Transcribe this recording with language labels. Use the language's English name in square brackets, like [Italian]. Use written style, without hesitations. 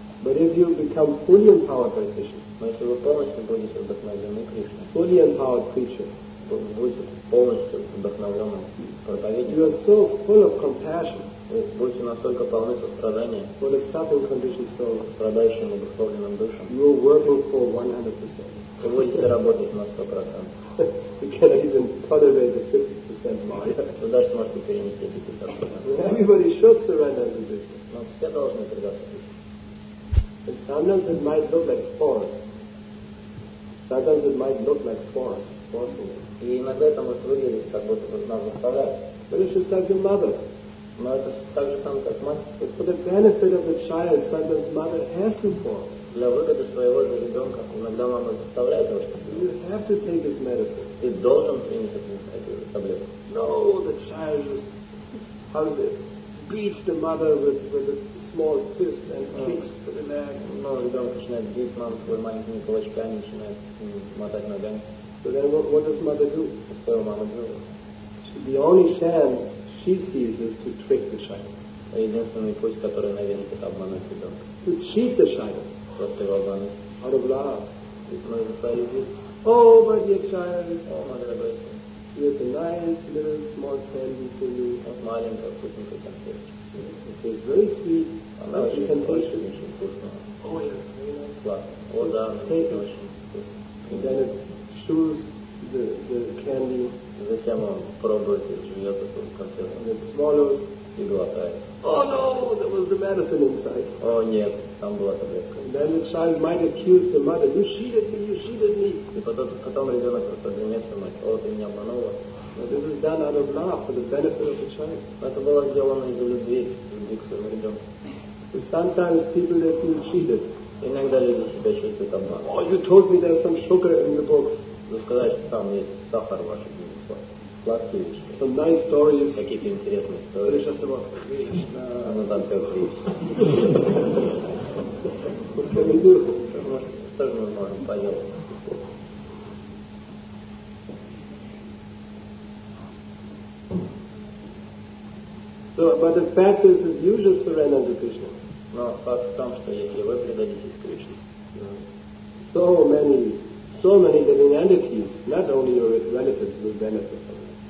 [English] But if you become fully empowered by Krishna, [Russian] но если вы полностью будете вдохновлены Кришной, [English] fully empowered preacher, [Russian] будете полностью вдохновлены проповедником, [English] you are so full of compassion, [Russian] вы будете настолько полны сострадания, [English] for the suffering conditioned soul, [Russian] страдающим и духовным душам, [English] you are working for 100%. [Russian] Вы будете работать на 100%. [English] You cannot even tolerate the 50% mark. [Russian] Вы даже можете перенести 50%. [English] Everybody should surrender to this. [Russian] Но все должны предаться. [English] And sometimes it might look like force. Sometimes it might look like force. Forcefully. [Russian] И иногда это может выглядеть, как будто бы нас заставляют. [English] But it's just like your mother. [Russian] Но это так же самое, как мать. [English] But for the benefit of the child, sometimes mother has to force. [Russian] Для выгоды своего же ребенка иногда мама заставляет его, чтобы... [English] You have to take this medicine. [Russian] Ты должен принять эту таблетку. [English] No, the child just hungry. Beats the mother with a small fist and kicks. [Russian] Но ребенок начинает бить маму своими маленькими кулачками, начинает мотать ногами. [English] So then what does mother do? [Russian] Что его мама делает? [English] The only chance she sees is to trick the child. [Russian] Единственный путь, который она видит, это обмануть ребенка. [English] To cheat the child. [Russian] Просто его обмануть. [English] Out of love. [Russian] Но из-за своей любви. [English] Oh, my dear child. [Russian] О, моя дорогая. [English] Here's a nice little small candy for you. [Russian] Вот маленькая вкусненькая конфетка. [English] It is very sweet. [Russian] Она очень хорошая, очень вкусная. Сладкая. О, да, она очень вкусная. И [English] then it chews the candy. [Russian] Затем он пробует и жует эту конфету. [English] And it swallows. [Russian] И глотает. [English] Oh no, there was the medicine inside. [Russian] О, нет, там была таблетка. [English] And then the child might accuse the mother. You cheated me. [Russian] И потом ребенок просто обвиняется мать. О, ты меня обманула. [English] But this is done out of love for the benefit of the child. [Russian] Это было сделано из-за любви, любви к своему ребенку. [English] Sometimes people they feel cheated. [Russian] Иногда люди себя чувствуют обманутыми. [English] Oh, you told me there's some sugar in the box. [Russian] Вы сказали, что там есть сахар в вашей книге. Сладкие вещи. [English] Some nice stories. [Russian] Какие-то интересные истории. Речь сейчас о Кришне. Ну там все Кришне. [English] What can we do? [Russian] Что же мы можем поделать? [English] So, but the fact is that you just surrender to Krishna. [Russian] Но факт в том, что если вы предадитесь Кришне, [English] so many living entities, not only your relatives, will benefit from it.